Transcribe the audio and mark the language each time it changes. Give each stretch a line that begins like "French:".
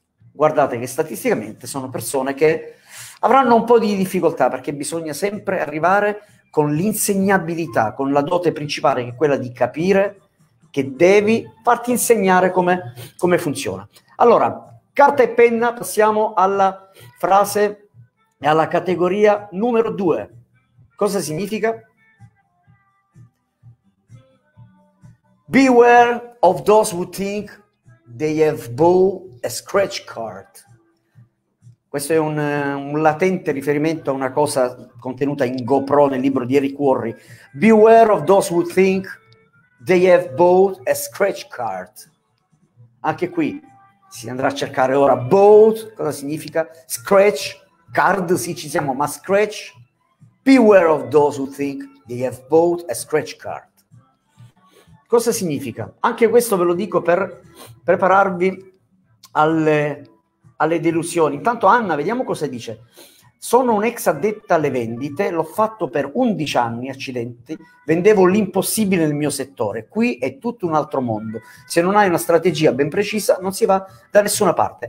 Italian: Guardate che statisticamente sono persone che avranno un po' di difficoltà, perché bisogna sempre arrivare con l'insegnabilità, con la dote principale che è quella di capire che devi farti insegnare come funziona. Allora, carta e penna, passiamo alla frase e alla categoria numero 2. Cosa significa?
English: Beware of those who think they have bought a scratch card.
Italian: Questo è un latente riferimento a una cosa contenuta in GoPro nel libro di Eric Worre.
English: Beware of those who think they have bought a scratch card.
Italian: Anche qui si andrà a cercare ora bold, cosa significa? Scratch, card, sì ci siamo, ma scratch?
English: Beware of those who think they have bought a scratch card.
Italian: Cosa significa? Anche questo ve lo dico per prepararvi alle delusioni. Intanto Anna, vediamo cosa dice. Sono un'ex addetta alle vendite, l'ho fatto per 11 anni, accidenti, vendevo l'impossibile nel mio settore, qui è tutto un altro mondo, se non hai una strategia ben precisa non si va da nessuna parte.